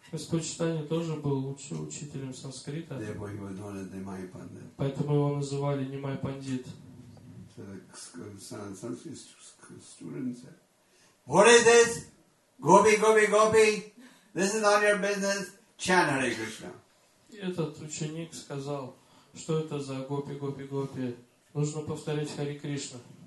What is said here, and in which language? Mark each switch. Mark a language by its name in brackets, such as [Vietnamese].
[Russian] Господь Читания тоже был учителем санскрита. [English] Therefore he was known as Nimai Pandit. [Russian] Поэтому его называли Nimai Pandit. [English] So the Sanskrit student said, "What is this? Gopi, Gopi, Gopi! This is not your business. Chant Hare Krishna." [Russian] Этот ученик сказал, что это за гопи, гопи, гопи? Нужно повторить Хари Кришна.